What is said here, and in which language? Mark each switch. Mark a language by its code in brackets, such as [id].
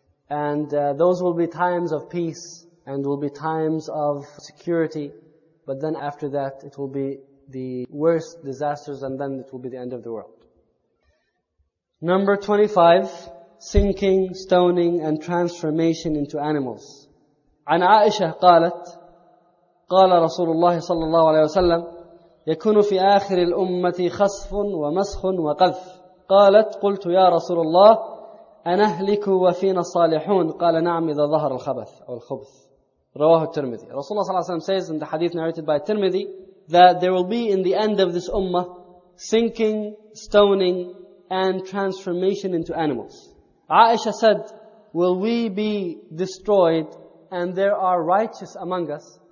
[en] And those will be times of peace, and will be times of security, but then after that, it will be the worst disasters, and then it will be the end of the world. Number 25, sinking, stoning, and transformation into animals. [ar] عن عائشة قالت قال رسول الله صلى الله عليه وسلم يكون في آخر الأمة خصف ومسخ وقذف. قالت قلت يا رسول الله أنهلك وفينا الصالحون. قال نعم إذا ظهر الخبث أو الخبث. رواه الترمذي. رسول الله صلى الله عليه وسلم [en] says in the hadith narrated by الترمذي that there will be in the end of this ummah sinking, stoning, and transformation into animals. Aisha said, will we be destroyed and there are righteous among us?